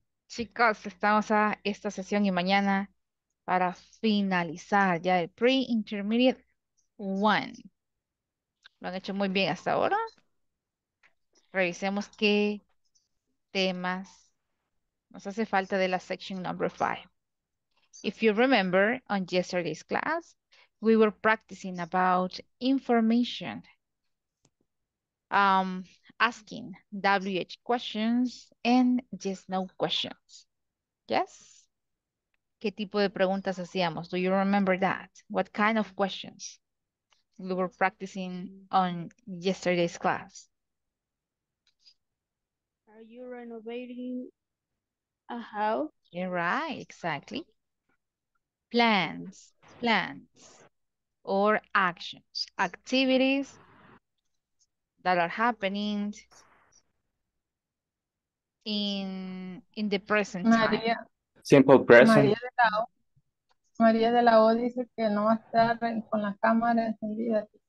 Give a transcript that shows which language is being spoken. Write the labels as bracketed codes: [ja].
[es] Chicos, estamos a esta sesión y mañana para finalizar ya el pre-intermediate one. Lo han hecho muy bien hasta ahora. Revisemos qué temas nos hace falta de la section number five. [en] If you remember on yesterday's class, we were practicing about information, asking WH questions and yes, no questions. Yes? [es] ¿Qué tipo de preguntas hacíamos? [en] Do you remember that? What kind of questions we were practicing on yesterday's class? Are you renovating a house? You're right, exactly. Plans. Or actions, activities that are happening in the present María. Time. Simple present. [es] María de la O dice que no va a estar con la cámara encendida.